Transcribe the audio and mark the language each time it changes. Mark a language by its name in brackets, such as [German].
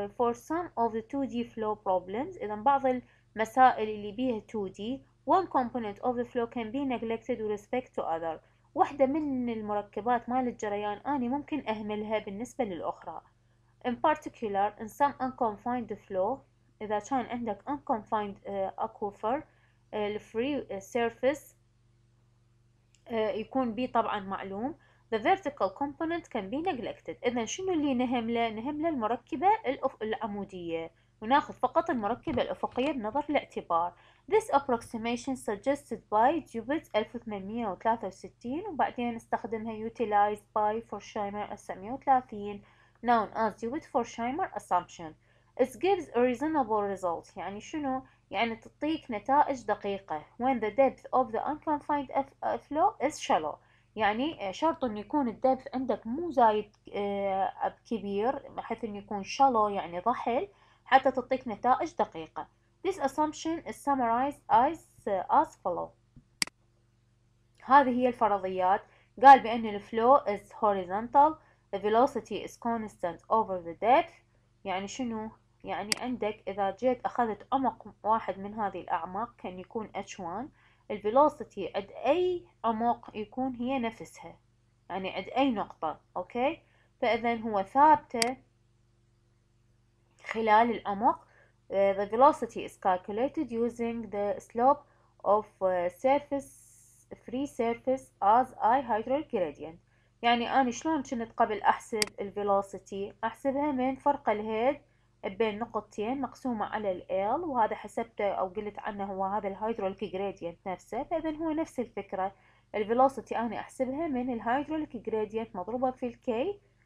[English] For some of the 2D flow problems، [Arabic] اذا بعض المسائل اللي بيها 2D، [English] one component of the flow can be neglected with respect to other، [Arabic] واحدة من المركبات مال الجريان اني ممكن اهملها بالنسبة للاخرى. [English] In particular in some unconfined flow، [Arabic] إذا كان عندك [English] unconfined aquifer free surface [Arabic] يكون بي طبعا معلوم، [English] the vertical component can be neglected. [Arabic] إذن شنو اللي نهمله؟ نهمله المركبة العمودية، وناخذ فقط المركبة الأفقية بنظر الاعتبار. [English] This approximation suggested by Dubitt 1863، [Arabic] وبعدين استخدمها [English] utilized by Forsheimer 1930 known as Dubitt-Forsheimer assumption. It gives a reasonable result. [Arabic] يعني شنو؟ يعني تعطيك نتائج دقيقة. [English] When the depth of the unconfined flow is shallow. [Arabic] يعني شرط أن يكون الدبث عندك مو زايد كبير بحيث أن يكون shallow يعني ضحل حتى تعطيك نتائج دقيقة. [English] This assumption is summarized as follow. [Arabic] هذه هي الفرضيات. قال بأن الفلو [English] is horizontal. The velocity is constant over the depth. [Arabic] يعني شنو؟ يعني عندك إذا جيت أخذت عمق واحد من هذه الأعماق كان يكون H1، الفيلوسيتي عند أي عمق يكون هي نفسها، يعني عند أي نقطة. أوكي، فإذا هو ثابتة خلال العمق. [English] The velocity is calculated using the slope of surface free surface as I hydraulic gradient. [Arabic] يعني أنا شلون كنت قبل أحسب الفيلوسيتي؟ أحسبها من فرق الهيد بين نقطتين مقسومة على ال، وهذا حسبته أو قلت عنه هو هذا الهيدروليك جريدينت نفسه. فإذا هو نفس الفكرة، الفيلوسيتي أنا أحسبها من الهيدروليك جريدينت مضروبة في الكي.